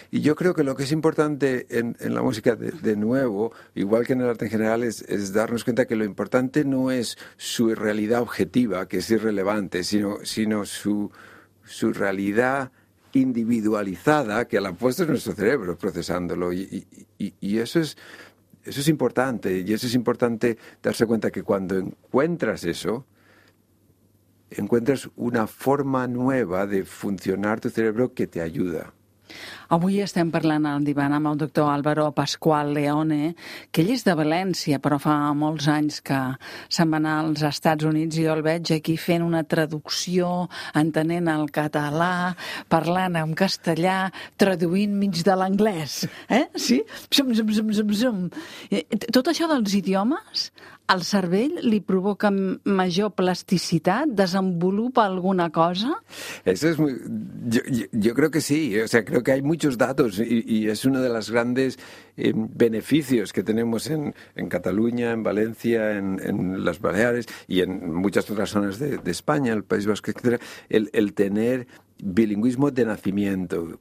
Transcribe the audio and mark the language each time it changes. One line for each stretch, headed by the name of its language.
Spanish: Y yo creo que lo que es importante en la música, de nuevo, igual que en el arte en general, es darnos cuenta que lo importante no es su realidad objetiva, que es irrelevante, sino su realidad individualizada, que a la puesta es nuestro cerebro procesándolo, y eso es importante, y eso es importante darse cuenta que cuando encuentras eso, encuentras una forma nueva de funcionar tu cerebro que te ayuda.
Catalan: Avui estem parlant al divan amb el doctor Álvaro Pascual Leone, que ell és de València, però fa molts anys que se'n va anar als Estats Units, i jo el veig aquí fent una traducció, entenent el català, parlant en castellà, traduint mig de l'anglès. Eh? Sí? Zum, zum, zum, zum, zum. Tot això dels idiomes, al cervell li provoca major plasticitat? Desenvolupa alguna cosa?
Spanish: Eso es muy... yo creo que sí. O sea, creo que hay muchos datos, y es uno de los grandes beneficios que tenemos en Cataluña, en Valencia, en las Baleares y en muchas otras zonas de España, el País Vasco, etcétera, el tener bilingüismo de nacimiento.